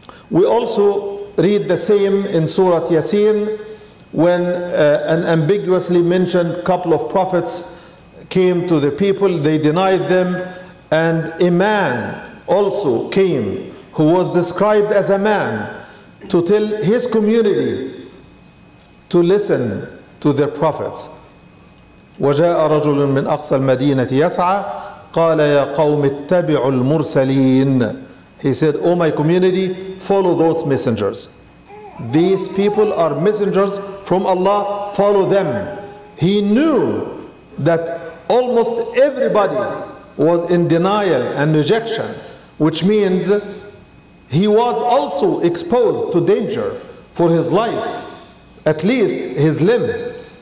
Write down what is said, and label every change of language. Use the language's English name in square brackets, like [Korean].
[English] We also read the same in Surah Yasin, when an ambiguously mentioned couple of prophets came to the people. They denied them, And a man also came who was described as a man to tell his community to listen to their prophets. [Arabic] وجاء رجل من أقصى المدينة يسعى قال يا قوم اتبعوا المرسلين. [English] He said, oh my community, follow those messengers. These people are messengers from Allah, follow them. He knew that almost everybody was in denial and rejection, which means he was also exposed to danger for his life, at least his limb.